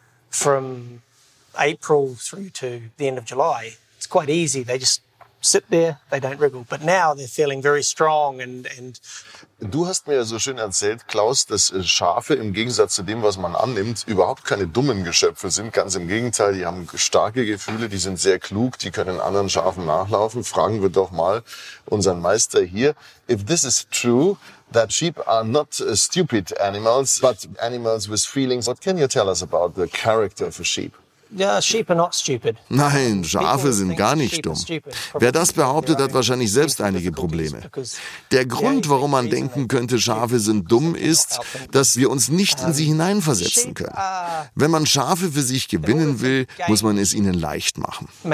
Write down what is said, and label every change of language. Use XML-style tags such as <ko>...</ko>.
<en>From April through to the end of July, it's quite easy. They just sit there, they don't wriggle. But now they're feeling very strong and</en> <de>Du hast mir so schön erzählt, Klaus, dass Schafe im Gegensatz zu dem, was man annimmt, überhaupt keine dummen Geschöpfe sind. Ganz im Gegenteil, die haben starke Gefühle, die sind sehr klug, die können anderen Schafen nachlaufen. Fragen wir doch mal unseren Meister hier.</de> <en>If this is true, that sheep are not stupid animals, but animals with feelings, what can you tell us about the character of a sheep?</en> <de>Nein, Schafe sind gar nicht dumm. Wer das behauptet, hat wahrscheinlich selbst einige Probleme. Der Grund, warum man denken könnte, Schafe sind dumm, ist, dass wir uns nicht in sie hineinversetzen können. Wenn man Schafe für sich gewinnen will, muss man es ihnen leicht machen.</de>